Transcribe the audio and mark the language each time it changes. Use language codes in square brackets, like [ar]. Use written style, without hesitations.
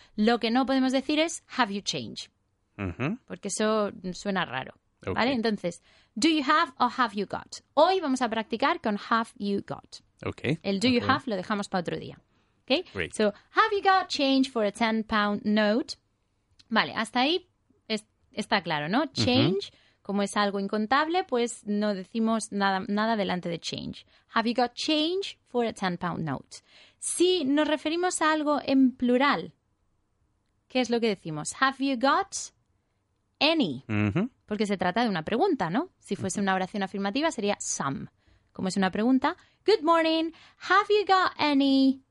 [es] Lo que no podemos decir es, [en] have you change. [es] Porque eso suena raro. ¿Vale? Okay. [en] Entonces, do you have or have you got? [es] Hoy vamos a practicar con [en] have you got. Okay. [es] El [en] do you have [es] lo dejamos para otro día. Okay? [en] Great. So, have you got change for a 10-pound note? [es] Vale, hasta ahí está claro, ¿no? Change, como es algo incontable, pues no decimos nada delante de change. [en] Have you got change for a 10-pound note? [es] Si nos referimos a algo en plural, ¿qué es lo que decimos? [en] Have you got any? [es] Porque se trata de una pregunta, ¿no? Si fuese una oración afirmativa, sería some. Como es una pregunta, [en] good morning, have you got any...